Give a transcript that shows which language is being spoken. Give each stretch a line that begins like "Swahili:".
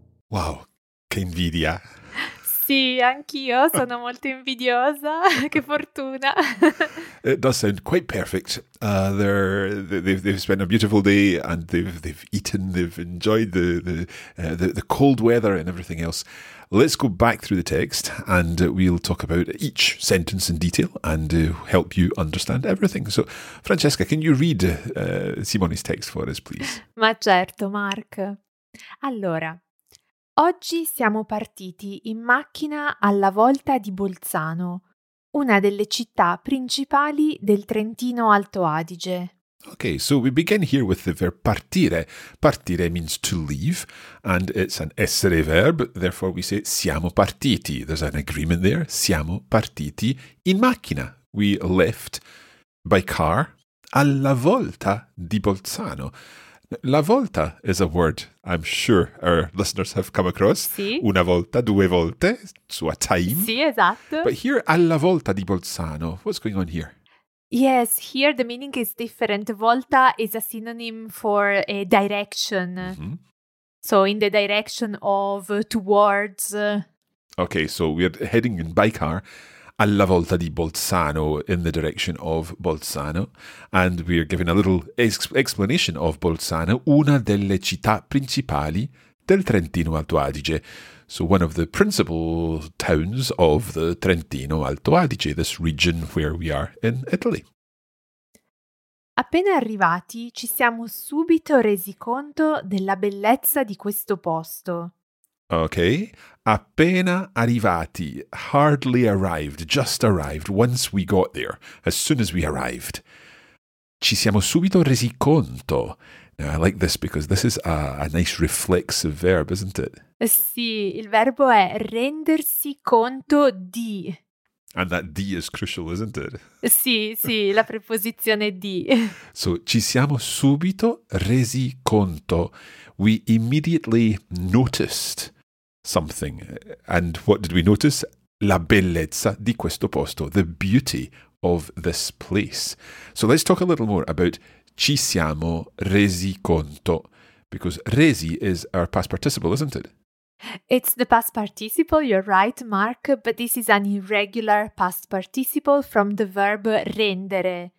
Italian: Wow, che invidia! Sì, anch'io sono molto invidiosa. Che fortuna!
English: It does sound quite perfect. They've spent a beautiful day and they've eaten, they've enjoyed the cold weather and everything else. Let's go back through the text and we'll talk about each sentence in detail and help you understand everything. So, Francesca, can you read Simone's text for us, please?
Italian: Ma certo, Mark. Allora. Oggi siamo partiti in macchina alla volta di Bolzano, una delle città principali del Trentino Alto Adige.
English: Okay, so we begin here with the verb partire. Partire means to leave, and it's an essere verb, therefore we say siamo partiti. There's an agreement there.
Italian: Siamo partiti in macchina.
English: We left by car
Italian: alla volta di Bolzano.
English: La volta is a word I'm sure our listeners have come across.
Italian: Sì. Una volta, due volte,
English: so a time.
Italian: Sì, esatto.
English: But here, alla volta di Bolzano, what's going on here? Yes, here the meaning is different. Volta is a synonym for a direction. Mm-hmm. So in the direction of, towards. Okay, so we're heading in by car.
Italian: Alla volta di Bolzano,
English: in the direction of Bolzano. And we are giving a little explanation of Bolzano,
Italian: una delle città principali del Trentino Alto Adige.
English: So one of the principal towns of the Trentino Alto Adige, this region where we are in Italy.
Italian: Appena arrivati, ci siamo subito resi conto della bellezza di questo posto.
English: Okay,
Italian: appena arrivati,
English: hardly arrived, just arrived, once we got there, as soon as we arrived.
Italian: Ci siamo subito resi conto.
English: Now, I like this because this is a nice reflexive verb, isn't it?
Italian: Sì, il verbo è rendersi conto di.
English: And that di is crucial, isn't it?
Italian: Sì, sì, la preposizione di. So, ci siamo subito resi conto.
English: We immediately noticed something. And what did we notice?
Italian: La bellezza di questo posto.
English: The beauty of this place. So let's talk a little more about
Italian: ci siamo resi conto.
English: Because resi is our past participle, isn't it? It's the past participle, you're right, Mark. But this is an irregular past participle from the verb rendere.